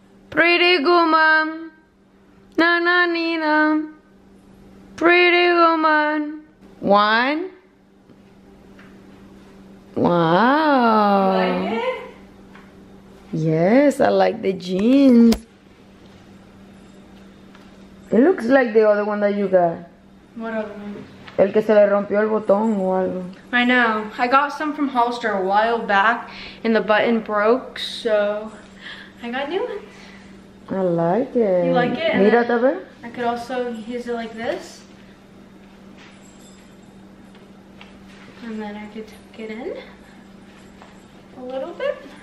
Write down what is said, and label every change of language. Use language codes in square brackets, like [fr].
[en] Pretty woman. Na na nina, pretty woman. One. Wow. You like it? Yes, I like the jeans. It looks like the other one that you got. What other one? [es] El que se le rompió el botón o algo. [en] I know. I got some from Hollister a while back, and the button broke, so I got new ones. I like it. You like it? [es] Mira, a ver. [en] I could also use it like this. And then I could tuck it in a little bit.